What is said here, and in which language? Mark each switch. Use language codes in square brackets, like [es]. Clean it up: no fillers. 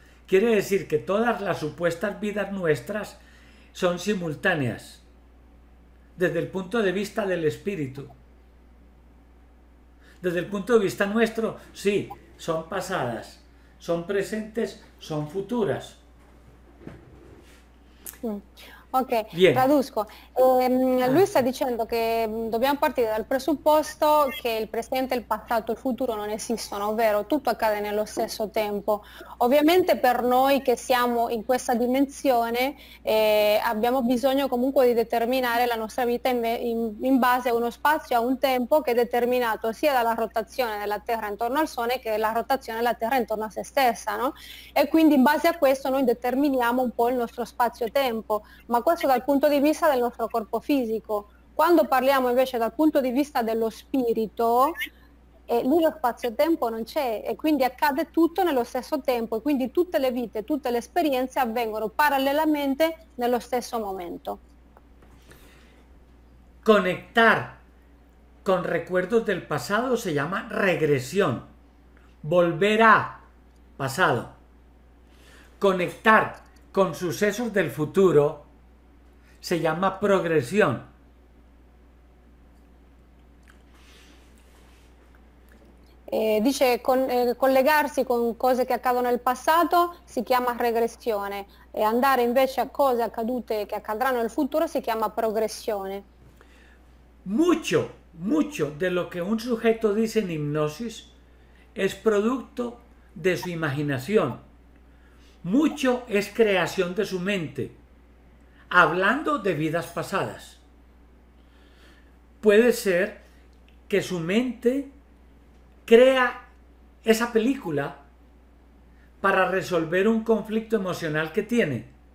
[es] Quiere decir que todas las supuestas vidas nuestras son simultáneas, desde el punto de vista del espíritu. Desde el punto de vista nuestro, sí, son pasadas, son presentes, son futuras. Ok, bien. Traduzco. [it] Luis sta dicendo che dobbiamo partire dal presupposto che il presente, il passato, il futuro non esistono, ovvero tutto accade nello stesso tempo. Ovviamente per noi che siamo in questa dimensione abbiamo bisogno comunque di determinare la nostra vita in base a uno spazio, a un tempo che è determinato sia dalla rotazione della Terra intorno al Sole che la rotazione della Terra intorno a se stessa, no? E quindi in base a questo noi determiniamo un po' il nostro spazio-tempo. Ma questo dal punto di vista del nostro corpo fisico. Quando parliamo invece dal punto di vista dello spirito, lì lo spazio-tempo non c'è e quindi accade tutto nello stesso tempo e quindi tutte le vite, tutte le esperienze avvengono parallelamente nello stesso momento. [es] Conectar con recuerdos del pasado se llama regresión. Volver a pasado. Conectar con sucesos del futuro se llama progresión. [it] Dice collegarsi con cose che accadono nel passato si chiama regressione e andare invece a cose accadute che accadranno nel futuro si chiama progressione. [es] Mucho, mucho de lo que un sujeto dice en hipnosis es producto de su imaginación. Mucho es creación de su mente. Hablando de vidas pasadas, puede ser que su mente crea esa película para resolver un conflicto emocional que tiene.